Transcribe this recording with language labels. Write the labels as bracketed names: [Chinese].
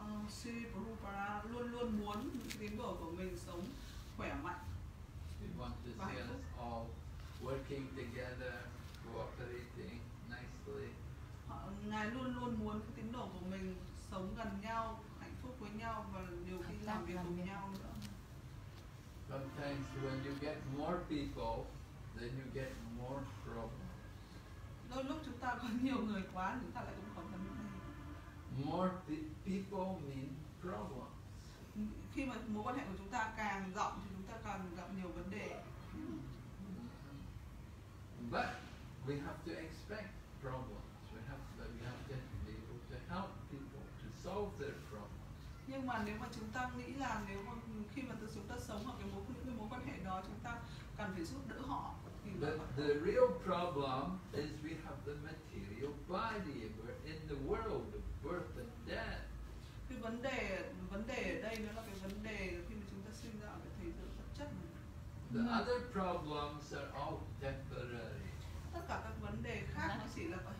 [Vietnamese] Sri Prabhupada luôn luôn muốn tín đồ của mình sống khỏe mạnh. [English] He wanted to see us all working together, cooperating nicely. [Vietnamese] Ngài luôn luôn muốn cái tín đồ của mình sống gần nhau, hạnh phúc với nhau và nhiều khi làm việc cùng nhau nữa. [English] Sometimes when you get more people, then you get more problems. [Vietnamese] Đôi lúc chúng ta có nhiều người quá, chúng ta lại cũng có vấn đề. [English] More people mean problems. [Vietnamese] Khi mà mối quan hệ của chúng ta càng rộng thì chúng ta càng gặp nhiều vấn đề. [English] But we have to expect problems. We have to be able to help people to solve their problems. [Vietnamese] Nhưng mà nếu mà chúng ta nghĩ là nếu mà khi mà chúng ta sống ở những mối quan hệ đó chúng ta cần phải giúp đỡ họ. [English] But the real problem is we have the material body. We're in the world of birth and death. [Vietnamese] Cái vấn đề ở đây nó là cái vấn đề khi mà chúng ta sinh ra ở cái thế giới vật chất này. [English] The other problems are all temporary. [Vietnamese] Tất cả các vấn đề khác nó chỉ là